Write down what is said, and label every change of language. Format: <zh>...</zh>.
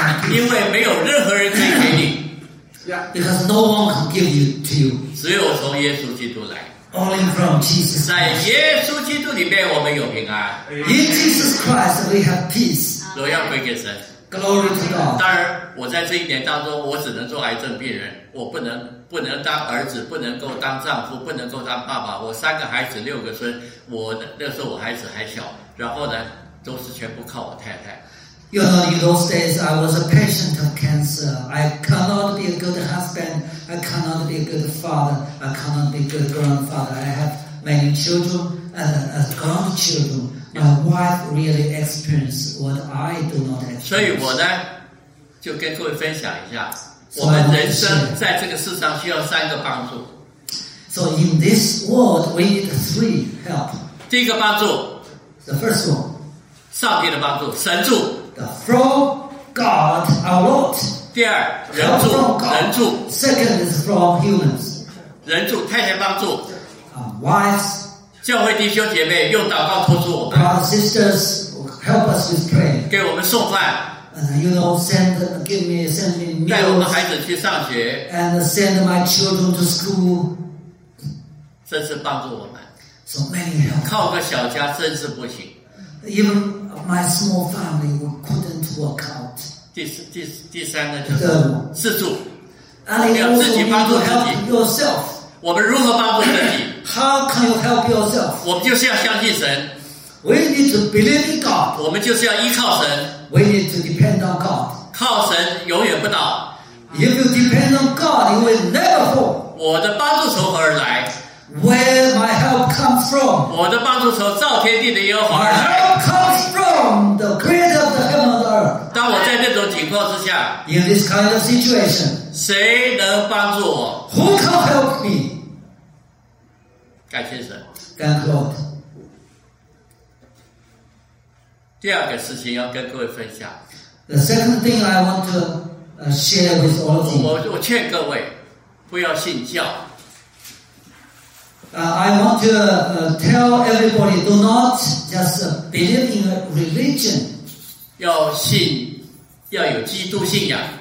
<zh>因为没有任何人可以给你。</zh> <en>Because no one can give you to you.</en> <zh>只有从耶稣基督来。</zh> <en>Only from Jesus.</en> <zh>在耶稣基督里面我们有平安。</zh> <en>In Jesus Christ we have peace.</en> <zh>荣耀归给神。</zh> <en>Glory to God.</en> <zh>当然我在这一年当中我只能做癌症病人。我不能当儿子，不能够当丈夫，不能够当爸爸。我三个孩子，六个孙。我那时候我孩子还小，然后呢，都是全部靠我太太。</zh> <en>You know, in those days, I was a patient of cancer. I cannot be a good husband. I cannot be a good father. I cannot be a good grandfather. I have many children and grandchildren. My wife really experienced what I do not experience.</en> <zh>所以我呢，就跟各位分享一下。我们人生在这个世上需要三个帮助。</zh> <en>So in this world, we need three help.</en> <zh>第一个帮助。</zh> <en>The first one.</en> <zh>上帝的帮助，神助。</zh> <en>The from God, our Lord.</en> <zh>第二，人助，人助。</zh> <en>Second is from humans.</en> <zh>人助，太太帮助。</zh> <en>Wives.</en> <zh>教会弟兄姐妹用祷告托住我们。</zh> <en>Our sisters help us with prayer.</en> <zh>给我们送饭。</zh> <en>You know, send me meals.</en> <zh>带我们孩子去上学。</zh> <en>And send my children to school.</en> <zh>真是帮助我们。</zh> <en>So many help.</en> <zh>靠个小家真是不行。</zh> <en>Even my small family couldn't work out.</en> <zh>第三个就是自助。</zh> <en>And you also need to help yourself.</en> <zh>我们如何帮助自己？</zh> <en>How can you help yourself?</en> <zh>我们就是要相信神。</zh> <en>We need to believe in God.</en> <zh>我们就是要依靠神。</zh> <en>We need to depend on God.</en> <zh>靠神永远不倒。</zh> <en>If you depend on God, you will never fall.</en> <zh>我的帮助从何而来？</zh> <en>Where my help comes from?</en> <zh>我的帮助从造天地的耶和华而来。</zh> <en>My help comes from the creator of the heaven and earth.</en> <zh>当我在那种情况之下，</zh> <en>In this kind of situation,</en> <zh>谁能帮助我？</zh> <en>Who can help me?</en> <zh>感谢神。</zh> <en>Thank God.</en> <zh>第二个事情要跟各位分享。</zh> <en>The second thing I want to share with all of you.</en> <zh>我劝各位不要信教。</zh> <en>I want to tell everybody, do not just believe in a religion.</en> <zh>要信，要有基督信仰。</zh>